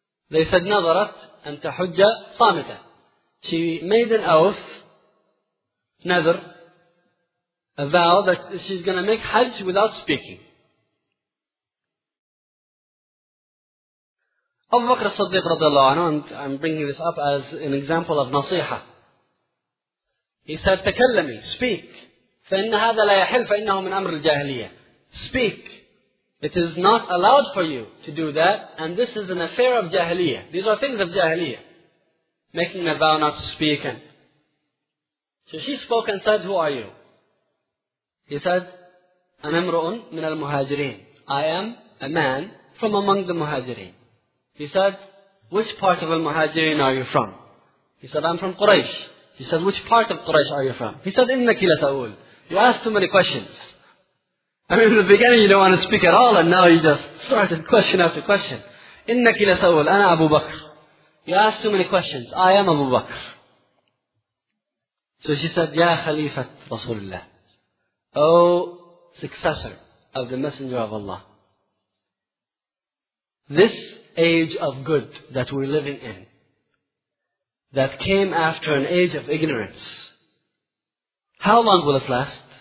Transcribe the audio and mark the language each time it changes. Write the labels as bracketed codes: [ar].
[en] They said, [ar] nadarat anta hujja samita. [en] She made an oath, nadr, a vow that she's going to make hajj without speaking. Abu Bakr as-Siddiq radiallahu anhu, and I'm bringing this up as an example of nasiha. He said, تكلمي, speak. [ar] فإن هذا لا يحل فإنه من أمر الجاهلية. [en] Speak. It is not allowed for you to do that, and this is an affair of jahiliyyah. These are things of jahiliyyah. Making a vow not to speak. And so she spoke and said, who are you? He said, [ar] أنا امرؤ من المهاجرين. [en] I am a man from among the muhajirin. He said, which part of al-muhajirin are you from? He said, I'm from Quraysh. He said, which part of Quraysh are you from? He said, [ar] إِنَّكِ لَسَأُولُ. [en] You ask too many questions. I mean, in the beginning you don't want to speak at all, and now you just started question after question. [ar] إِنَّكِ لَسَأُولُ. أَنَا أَبُو بَكْرِ. [en] You ask too many questions. I am Abu Bakr. So she said, [ar] يَا خَلِيفَةَ رَسُولُ اللَّهِ. [en] O successor of the Messenger of Allah. This age of good that we're living in, that came after an age of ignorance, how long will it last?